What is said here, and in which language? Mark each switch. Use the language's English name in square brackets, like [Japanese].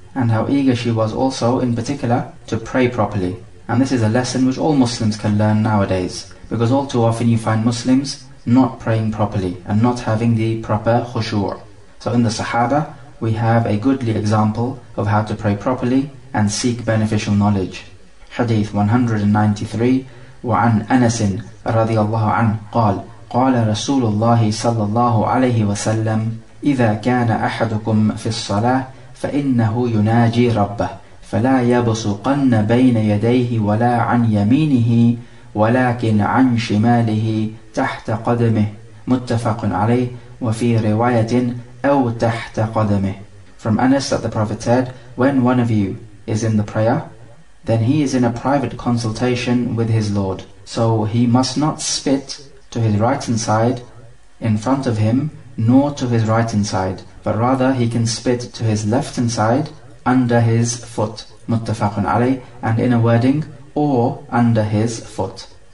[English] And how eager she was also, in particular, to pray properly. And this is a lesson which all Muslims can learn nowadays. Because all too often you find Muslims not praying properly and not having the proper khushu'. So in the Sahaba, we have a goodly example of how to pray properly and seek beneficial knowledge. [Arabic] Hadith 193, وعن أنس رضي الله عنه قال قال رسول الله صلى الله عليه وسلم إذا كان أحدكم في الصلاة فإنه يناجي ربه فلا يبصقن بين يديه ولا عن يمينه ولكن عن شماله تحت قدمه متفق عليه وفي رواية أو تحت قدمه. [English] From Anas that the Prophet said, when one of you is in the prayer, then he is in a private consultation with his Lord. So he must not spit to his right hand side in front of him, nor to his right hand side, but rather he can spit to his left hand side under his foot, muttafaqun alayh, and in a wording, or under his foot.